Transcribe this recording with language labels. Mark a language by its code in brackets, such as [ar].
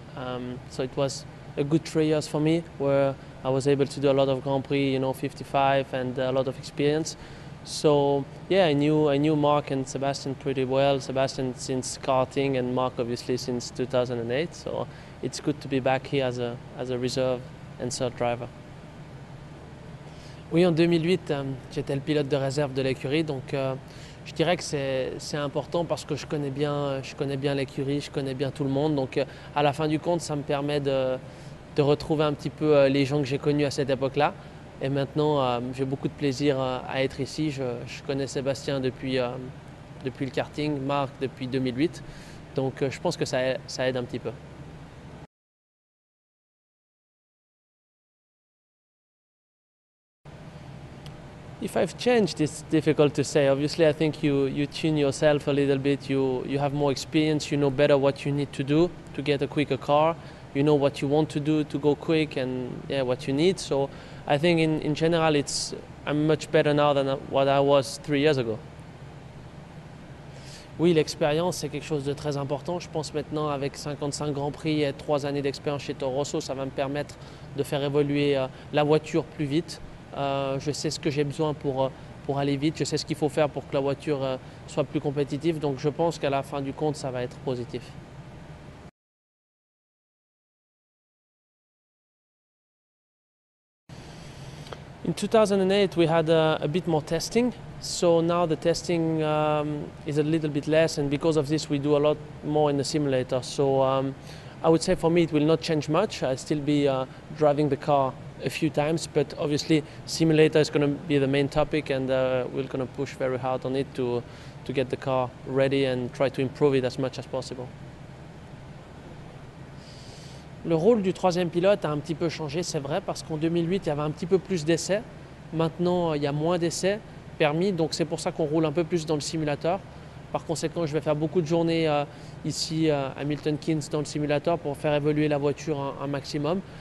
[en] So it was a good 3 years for me, where I was able to do a lot of Grand Prix, 55, and a lot of experience. So yeah, I knew Mark and Sebastian pretty well. Sebastian since karting, and Mark obviously since 2008. So it's good to be back here as a reserve and third driver. [fr] Oui, en 2008, j'étais le pilote de réserve de l'écurie, donc. Je dirais que c'est important parce que je connais bien l'écurie, je connais bien tout le monde. Donc à la fin du compte, ça me permet de retrouver un petit peu les gens que j'ai connus à cette époque-là. Et maintenant, j'ai beaucoup de plaisir à être ici. Je connais Sébastien depuis le karting, Marc depuis 2008. Donc je pense que ça aide un petit peu. [en] If I've changed, it's difficult to say. Obviously, I think you tune yourself a little bit. You have more experience. You know better what you need to do to get a quicker car. You know what you want to do to go quick, and yeah, what you need. So, I think in general, I'm much better now than what I was 3 years ago. [fr] Oui, l'expérience, c'est quelque chose de très important. Je pense maintenant, avec 55 Grands Prix et 3 années d'expérience chez Toro Rosso, ça va me permettre de faire évoluer la voiture plus vite. Je sais ce que j'ai besoin pour aller vite, je sais ce qu'il faut faire pour que la voiture soit plus compétitive, donc je pense qu'à la fin du compte, ça va être positif. [en] In 2008, we had a bit more testing, so now the testing is a little bit less, and because of this, we do a lot more in the simulator. So I would say for me, it will not change much. I'll still be driving the car a few times, but obviously simulator is going to be the main topic, and we're going to push very hard on it to get the car ready and try to improve it as much as possible. [fr] Le rôle du troisième pilote a un petit peu changé, c'est vrai, parce qu'en 2008 il y avait un petit peu plus d'essais. Maintenant il y a moins d'essais permis, donc c'est pour ça qu'on roule un peu plus dans le simulateur. Par conséquent, je vais faire beaucoup de journées ici à Milton Keynes dans le simulateur pour faire évoluer la voiture un maximum.